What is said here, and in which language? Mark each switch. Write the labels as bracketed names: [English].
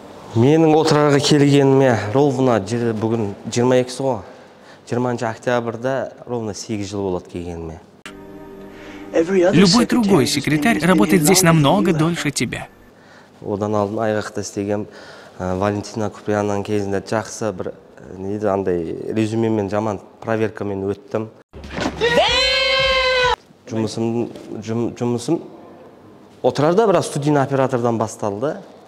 [Kazakh] Менің Отырарға келгеніме ровно бүгін 22-сі ғой. 20 октябрьда ровно 8 жыл болады келгеніме. [Russian] Любой другой секретарь работает здесь намного дольше тебя. [Kazakh] Одан алдын айғақта істеген Валентина Куприяннан кезінде жақсы бір неде андай резюме мен жаман проверкамен өттім. Жұмысым Отырарда біраз студийный оператордан басталды.